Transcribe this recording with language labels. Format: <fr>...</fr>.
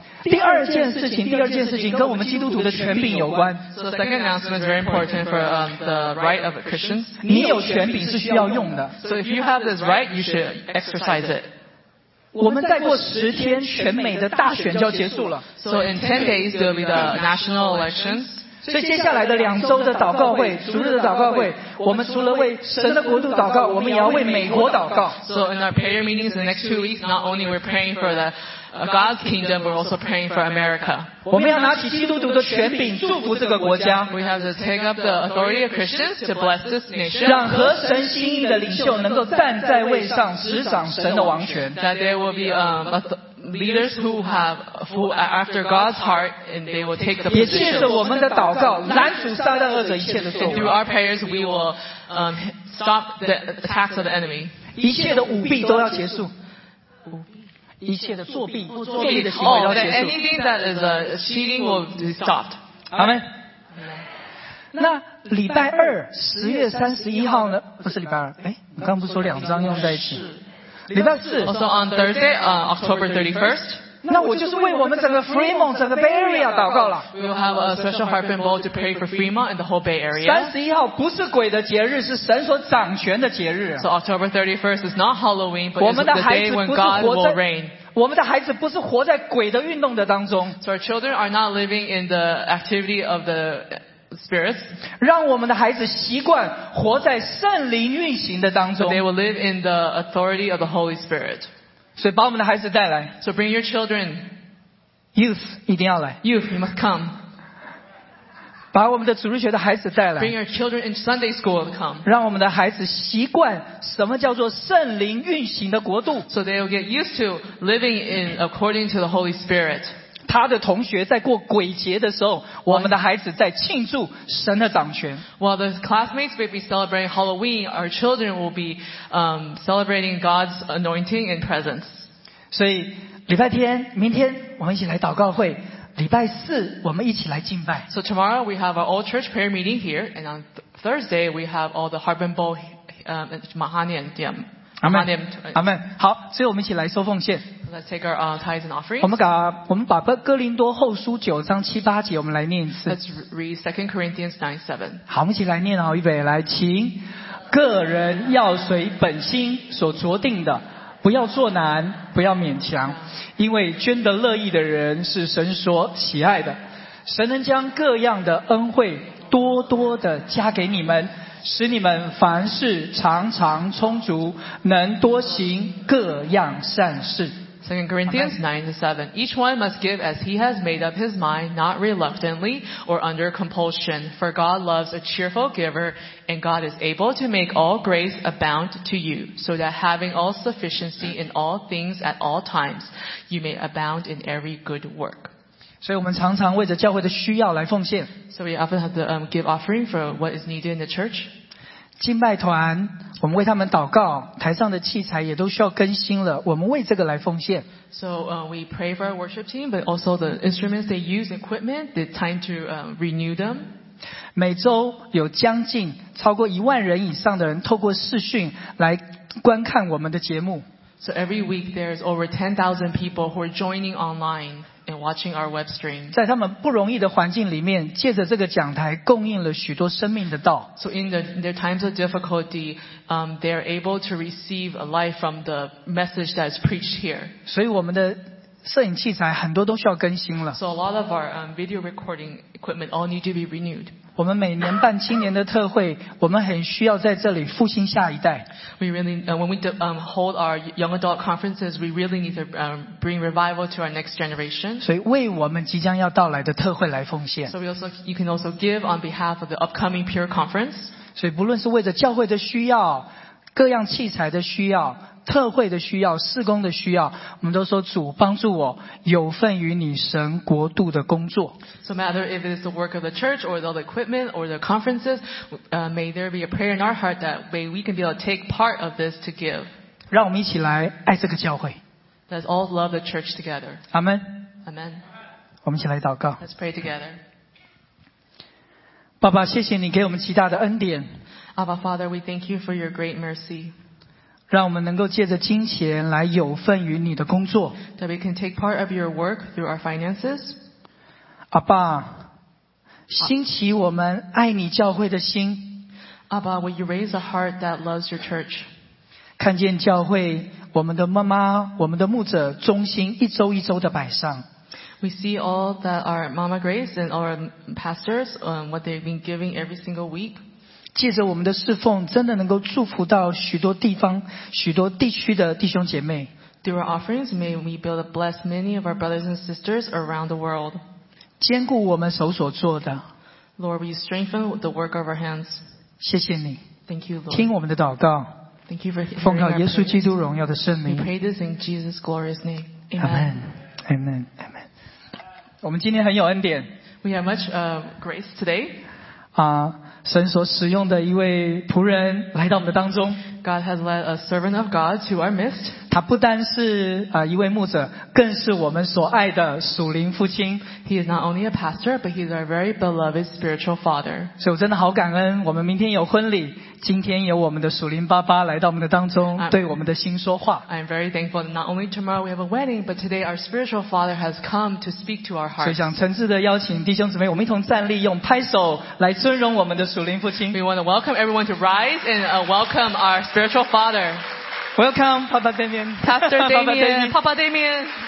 <zh>第二件事情跟我们基督徒的权柄有关。</zh> <en>So second announcement is very important for the right of Christians.</en> <zh>你有权柄是需要用的。</zh> <en>So if you have this right, you should exercise it.</en> <zh>我们再过十天，全美的大选就要结束了。</zh> <en>So in 10 days, there will be the national elections.</en> <zh>所以接下来的两周的祷告会，逐日的祷告会，我们除了为神的国度祷告，我们也要为美国祷告。</zh> <en>So in our prayer meetings in the next 2 weeks, not only we're praying for the God's kingdom, we're also praying for America.</en> <zh>我们要拿起基督徒的权柄祝福这个国家。</zh> <en>We have to take up the authority of Christians to bless this nation.</en> <zh>让合神心意的领袖能够站在位上，执掌神的王权。</zh> <en>That there will be leaders who are after God's heart, and they will take the position.</en> <zh>也借着我们的祷告，拦阻撒旦恶者一切的作为。</zh> <en>And through our prayers, we will stop the attacks of the enemy.</en> <zh>一切的舞弊都要结束。一切的作弊、作弊的行为要结束。</zh> <en>Oh, anything that is cheating will be stopped.</en> <zh>阿门。那礼拜二，十月三十一号呢？不是礼拜二，哎，我刚刚不是说两张用在一起？礼拜四。</zh> <en>Also on Thursday, October 31st.</en> <zh>那我就是为我们整个 Fremont 整个 Bay Area 祷告了。</zh> <en>We'll have a special harp and bowl to pray for Fremont and the whole Bay Area.</en> <zh>31号不是鬼的节日，是神所掌权的节日。</zh> <en>So October 31st is not Halloween, but it's the day when God will reign.</en> <zh>我们的孩子不是活在鬼的运动的当中。</zh> <en>So our children are not living in the activity of the spirits.</en> <zh>让我们的孩子习惯活在圣灵运行的当中。</zh> <en>They will live in the authority of the Holy Spirit.</en> <zh>所以把我们的孩子带来。</zh> <en>So bring your children.</en> <zh>Youth 一定要来。</zh> <en>Youth, you must come.</en> <zh>把我们的主日学的孩子带来。</zh> <en>Bring your children in Sunday school to come.</en> <zh>让我们的孩子习惯什么叫做圣灵运行的国度。</zh> <en>So they will get used to living in according to the Holy Spirit.</en> <zh>他的同学在过鬼节的时候，我们的孩子在庆祝神的掌权。</zh> <en>While the classmates will be celebrating Halloween, our children will be celebrating God's anointing and presence.</en> <zh>所以礼拜天，明天我们一起来祷告会，礼拜四我们一起来敬拜。</zh> <en>So tomorrow we have our old church prayer meeting here, and on Thursday we have all the Harp and Bowl Mahanian Dim. Amen.</en> <zh>好，所以我们一起来收奉献。</zh> <en>Let's take our tithes and offerings.</en> <zh>我们把哥林多后书九章七八节，我们来念一次。</zh> <en>Let's read 2 Corinthians 9:7.</en> <zh>好，我们一起来念好，预备，来，请。个人要随本心所酌定的，不要作难，不要勉强，因为捐得乐意的人是神所喜爱的。神能将各样的恩惠多多的加给你们。使你们凡事常常充足，能多行各样善事。</zh> <en>2 Corinthians 9:7. Each one must give as he has made up his mind, not reluctantly or under compulsion. For God loves a cheerful giver, and God is able to make all grace abound to you, so that having all sufficiency in all things at all times, you may abound in every good work.</en> <zh>所以我们常常为着教会的需要来奉献。</zh> <en>So we often have to give offering for what is needed in the church.</en> <zh>敬拜团，我们为他们祷告，台上的器材也都需要更新了，我们为这个来奉献。</zh> <en>So we pray for our worship team, but also the instruments they use, equipment, the time to renew them.</en> <zh>每周有将近超过一万人以上的人透过视讯来观看我们的节目。</zh> <en>So every week there's over 10,000 people who are joining online. And watching our web stream.</en> <zh>在他们不容易的环境里面，借着这个讲台供应了许多生命的道。</zh> <en>So in their times of difficulty, they are able to receive a life from the message that is preached here.</en> <zh>所以我们的摄影器材很多都需要更新了。</zh> <en>So a lot of our video recording equipment all need to be renewed.</en> <zh>我们每年办青年的特会，我们很需要在这里复兴下一代。</zh> <en>We really, when we hold our young adult conferences, we really need to bring revival to our next generation.</en> <zh>所以为我们即将要到来的特会来奉献。</zh> <en>So you can also give on behalf of the upcoming peer conference.</en> <zh>所以不论是为着教会的需要，各样器材的需要，特会的需要，事工的需要，我们都说主帮助我，有份于你神国度的工作。</zh> <en>So matter if it is the work of the church or the equipment or the conferences, may there be a prayer in our heart that may we can be able to take part of this to give.</en> <zh>让我们一起来爱这个教会。</zh> <en>Let's all love the church together.</en> <zh>阿门。</zh> <en>Amen.</en> <zh>我们一起来祷告。</zh> <en>Let's pray together.</en> <zh>爸爸，谢谢你给我们极大的恩典。</zh> <en>Abba Father, we thank you for your great mercy.</en> <zh>让我们能够借着金钱来有份于你的工作。</zh> <en>That we can take part of your work through our finances.</en> <zh>阿爸，兴起我们爱你教会的心。</zh> <en>Abba, will you raise a heart that loves your church?</en> <zh>看见教会，我们的妈妈，我们的牧者，中心一周一周的摆上。</zh> <en>We see all that our Mama Grace and our pastors, what they've been giving every single week.</en> <zh>借着我们的侍奉，真的能够祝福到许多地方、许多地区的弟兄姐妹。</zh> <en>Through our offerings, may we be able to bless many of our brothers and sisters around the world.</en> <zh>坚固我们手所做的。</zh> <en>Lord, will you strengthen the work of our hands?</en> <zh>谢谢你。</zh> <en>Thank you, Lord.</en> <zh>听我们的祷告。</zh> <en>Thank you for hearing our</en> <zh>prayers. 奉靠耶稣基督荣耀的圣名。</zh> <en>We pray this in Jesus' glorious name. Amen.</en> <zh>Amen. Amen. Amen. 我们今天很有恩典。</zh> <en>We have much grace today.</en> <zh>啊，神所使用的一位仆人来到我们的当中。</zh> <en>God has led a servant of God to our midst.</en> <zh>他不单是一位牧者，更是我们所爱的属灵父亲。</zh> <en>He is not only a pastor, but he is our very beloved spiritual father.</en> <zh>所以我真的好感恩，我们明天有婚礼，今天有我们的属灵爸爸来到我们的当中，对我们的心说话。</zh> <en>I'm very thankful that not only tomorrow we have a wedding, but today our spiritual father has come to speak to our hearts.</en> <zh>所以想诚挚的邀请弟兄姊妹，我们一同站立，用拍手来尊荣我们的属灵父亲。</zh> <en>We want to welcome everyone to rise and welcome our spiritual father. Welcome, Papa Damien. Pastor Damien. Papa Damien.</en>